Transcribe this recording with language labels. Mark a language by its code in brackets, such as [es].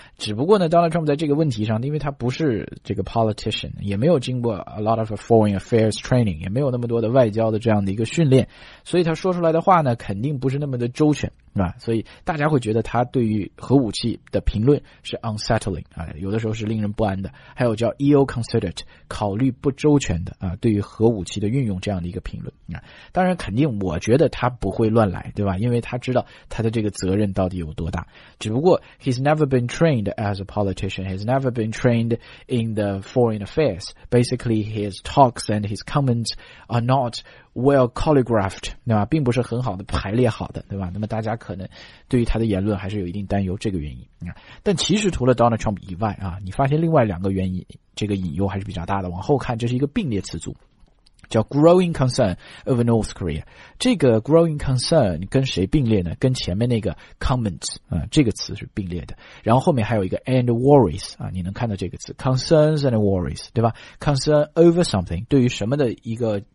[zh] 只不过呢 Donald Trump 在这个问题上，因为他不是这个 politician， 也没有经过 [en] a lot of foreign affairs training， [zh] 也没有那么多的外交的这样的一个训练，所以他说出来的话呢肯定不是那么的周全，对吧？所以大家会觉得他对于核武器的评论是 unsettling 啊，有的时候是令人不安的，还有叫 ill-considered 考虑不周全的啊，对于核武器的运用这样的一个评论啊。当然肯定我觉得他不会乱来，对吧？因为他知道他的这个责任到底有多大，只不过 [en] he's never been trained as a politician， he's never been trained in the foreign affairs， basically his talks and his comments are not well choreographed， [zh] 对吧？并不是很好的排列好的，对吧？那么大家可能对于他的言论还是有一定担忧，这个原因。但其实除了 Donald Trump 以外啊，你发现另外两个原因这个隐忧还是比较大的，往后看这是一个并列词组，叫 [en] growing concern over North Korea。 [zh] 这个 [en] growing concern [zh] 跟谁并列呢？跟前面那个 comments 啊，这个词是并列的，然后后面还有一个 [en] and worries [zh] 啊，你能看到这个词 [en] concerns and worries， [zh] 对吧？ [en] concern over something [zh] 对于什么的一个